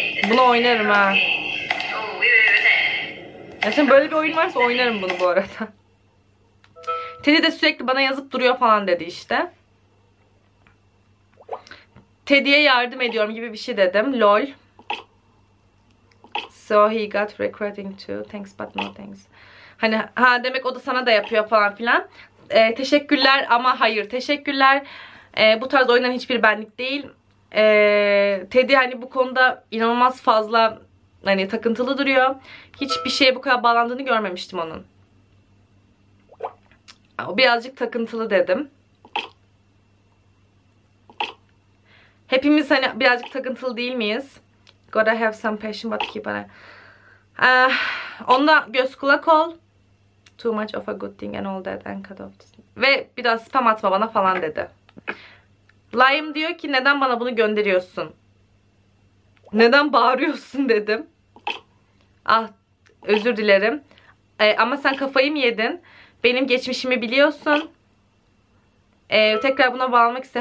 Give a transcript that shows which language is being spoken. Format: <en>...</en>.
<tr>Bunu oynarım ha. Mesela böyle bir oyun varsa oynarım bunu bu arada. Teddy de sürekli bana yazıp duruyor falan dedi işte. Teddy'ye yardım ediyorum gibi bir şey dedim.</tr> <en>Lol. So he got recruiting too. Thanks but no thanks.</en> <tr>Hani ha, demek o da sana da yapıyor falan filan. Teşekkürler ama hayır. Teşekkürler. Bu tarz oyunların hiçbiri benlik değil. Teddy hani bu konuda inanılmaz fazla hani takıntılı duruyor. Hiçbir şeye bu kadar bağlandığını görmemiştim onun. O birazcık takıntılı dedim. Hepimiz hani birazcık takıntılı değil miyiz?</tr> <en>Gotta have some passion but keep on.</en> <tr>Onda göz kulak ol.</tr> <en>Too much of a good thing and all that and cut off this.</en> <tr>Ve bir daha spam atma bana falan dedi. Lime diyor ki neden bana bunu gönderiyorsun? Neden bağırıyorsun dedim. Ah, özür dilerim. Ama sen kafayı mı yedin? Benim geçmişimi biliyorsun. Tekrar buna bağlamak iste.</tr>